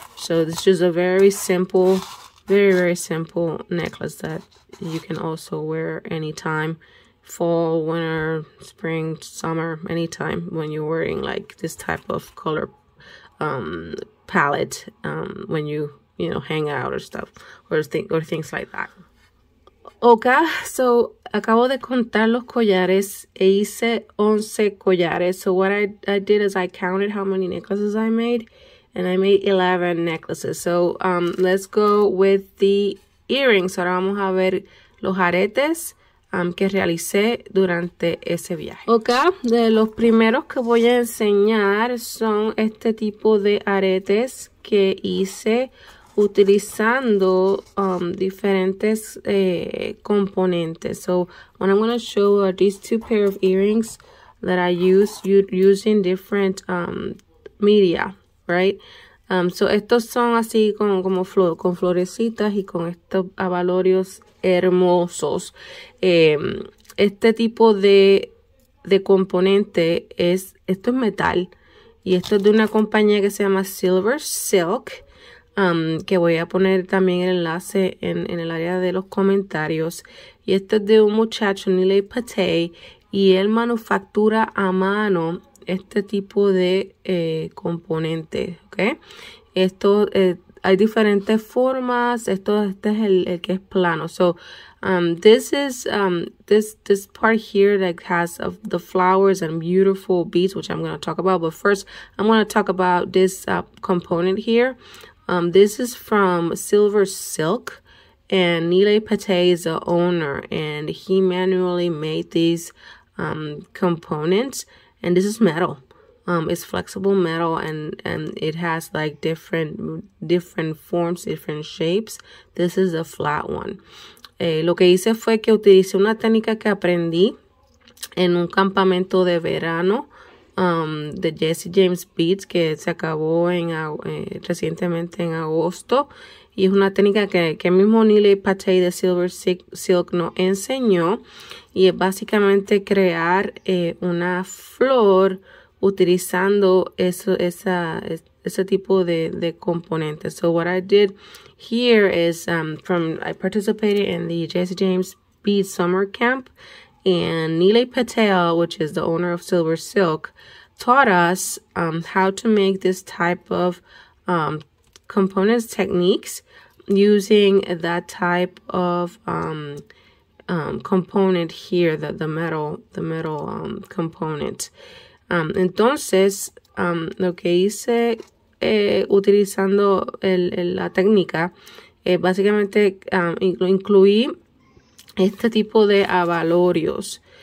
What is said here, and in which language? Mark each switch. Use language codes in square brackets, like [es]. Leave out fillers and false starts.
[en] So this is a very simple, very, very simple necklace that you can also wear anytime, fall, winter, spring, summer, anytime when you're wearing like this type of color palette when you hang out or stuff or things like that. [es] Ok, so acabo de contar los collares e hice 11 collares. [en] So what I did is I counted how many necklaces I made, and I made 11 necklaces. So let's go with the earrings. [es] Ahora vamos a ver los aretes que realicé durante ese viaje. Ok, de los primeros que voy a enseñar son este tipo de aretes que hice utilizando diferentes componentes. So what I'm going to show are these two pair of earrings that I use using different media, right? So estos son así con florecitas y con estos abalorios hermosos. Este tipo de componente es, esto es metal y esto es de una compañía que se llama Silver Silk. Que voy a poner también el enlace en el área de los comentarios. Y esto es de un muchacho, Nile Pate, y él manufactura a mano este tipo de componente, ¿ok? Esto, hay diferentes formas. Esto, este es el que es plano. [en] So, this is, this part here that has of the flowers and beautiful beads, which I'm going to talk about. But first, I'm going to talk about this component here. This is from Silver Silk, and Nile Pate is the owner, and he manually made these components, and this is metal. It's flexible metal, and it has like different forms, different shapes. This is a flat one. [es] Lo que hice fue que utilicé una técnica que aprendí en un campamento de verano. De Jesse James Beads, que se acabó en recientemente en agosto, y es una técnica que mismo Nile Pate de Silver Silk nos enseñó, y es básicamente crear una flor utilizando ese tipo de componentes. [en] So what I did here is I participated in the Jesse James Beads Summer Camp. And Nile Patel, which is the owner of Silver Silk, taught us how to make this type of components techniques using that type of component here, the metal component. [es] Entonces, lo que hice utilizando la técnica, básicamente incluí este tipo de abalorios.